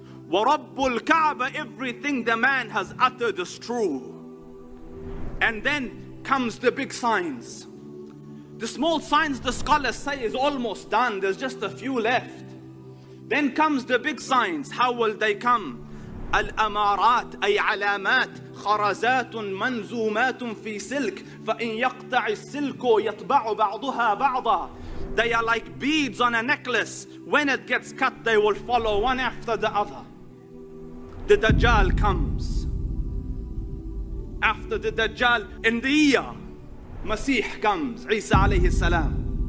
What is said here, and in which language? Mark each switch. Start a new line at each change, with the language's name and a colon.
Arabic: وَرَبُّ الْكَعْبَ.
English: Everything the man has uttered is true. And then comes the big signs. The small signs, the scholars say, is almost done. There's just a few left. Then comes the big signs. How will they come?
Arabic: الأمارات أي علامات خرزات منزومات في سلك فإن يقطع السلك يطبع بعضها بعضا.
English: They are like beads on a necklace. When it gets cut, they will follow one after the other. The Dajjal comes. After the Dajjal, in the year, Masih comes, Isa alayhi salam.